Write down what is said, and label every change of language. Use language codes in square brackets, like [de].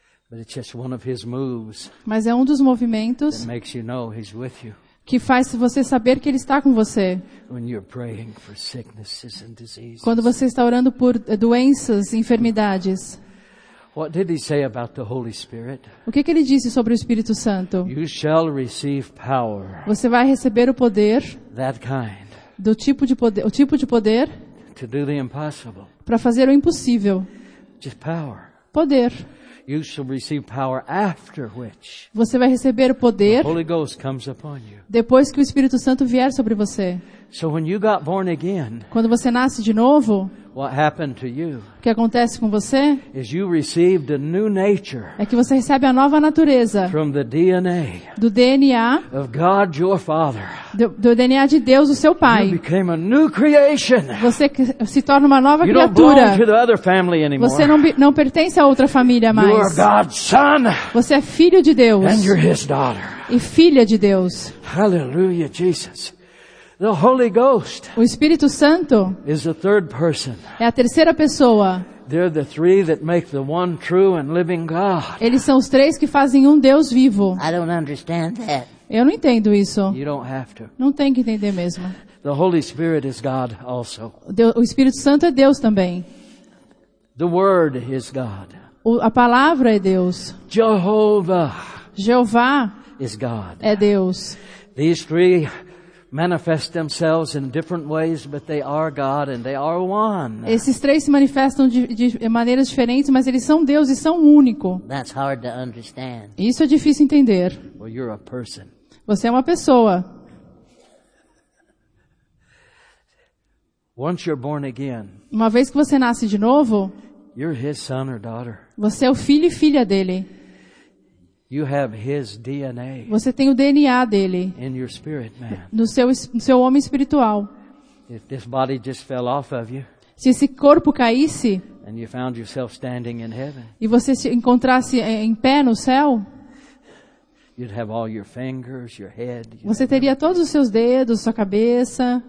[en] But it's just one of his moves. [pt] Mas é um dos movimentos [en] that makes you know he's with you. [pt] Que faz você saber que ele está com você. [en] When you're praying for sicknesses and diseases. [pt] Quando você está orando por doenças e enfermidades. [en] What did he say about the Holy Spirit? [pt] O que ele disse sobre o Espírito Santo? [en] You shall receive power. [pt] Você vai receber o poder. [en] That kind. [pt] Do tipo de poder, o tipo de poder. [en] To do the impossible. [pt] Para fazer o impossível. [en] Just power. [pt] Poder. [en] You shall receive power after which. [pt] Você vai receber o poder. [en] The Holy Ghost comes upon you. [pt] Depois que o Espírito Santo vier sobre você. [en] So when you got born again. [pt] Quando você nasce de novo. [en] What happened to you? [pt] O que acontece com você? [en] Is you received a new nature. [pt] É que você recebe a nova natureza. [en] From the DNA. [pt] Do DNA. [en] Of God your Father. [pt] Do DNA de Deus o seu Pai. [en] You became a new creation. [pt] Você se torna uma nova [en] you [pt] criatura. [en] Don't belong to the other family anymore. [pt] Você não pertence a outra família mais. [en] You are God's son. [pt] Você é filho de Deus. [en] And you're his daughter. [pt] E filha de Deus. [en] Hallelujah, Jesus. The Holy Ghost. [pt] O Espírito Santo. [en] Is the third person. [pt] É a terceira pessoa. [en] They're the three that make the one true and living God. [pt] Eles são os três que fazem um Deus vivo. [en] I don't understand that. [pt] Eu não entendo isso. [en] You don't have to. [pt] Não tem que entender mesmo. [en] The Holy Spirit is God also. [pt] O Espírito Santo é Deus também. [en] The Word is God. [pt] A palavra é Deus. [en] Jehovah. [pt] Jeová. [en] Is God. [pt] É Deus. [en] These three manifest themselves in different ways, but they are God and they are one. [pt] Esses três se manifestam de maneiras diferentes, mas eles são Deus e são único. [en] That's hard to understand. [pt] Isso é difícil entender. [en] Well, you're a person. [pt] Você é uma pessoa. [en] Once you're born again. [pt] Uma vez que você nasce de novo. [en] You're his son or daughter. [pt] Você é o filho e filha dele. [en] You have his DNA. [pt] Você tem o DNA dele. [en] In your spirit, man. [pt] No seu homem espiritual. [en] If this body just fell off of you. [pt] Se esse corpo caísse. [en] And you found yourself standing in heaven. [pt] E você se encontrasse em pé no céu. [en] You'd have all your fingers, your head. [pt] Você teria todos os seus dedos, sua cabeça.